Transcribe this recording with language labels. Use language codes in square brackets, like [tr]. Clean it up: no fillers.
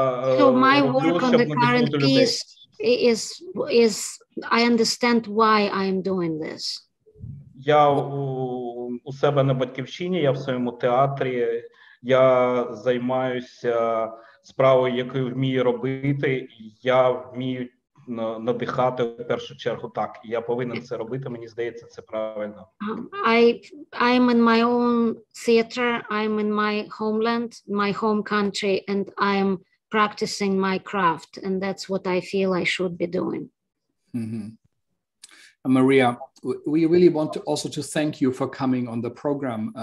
[en] so my [uk] роблю, [en] work on the current piece is I understand why I'm doing this. [uk] Я у себе на батьківщині, я в своєму театрі, я займаюся справу, яку вмію робити, я вмію надихати в першу чергу так. Я повинен це робити, мені здається, це правильно. [en] I'm in my own theater, I'm in my homeland, my home country, and I'm practicing my craft, and that's what I feel I should be doing. Mm-hmm. Maria, we really want to also to thank you for coming on the program.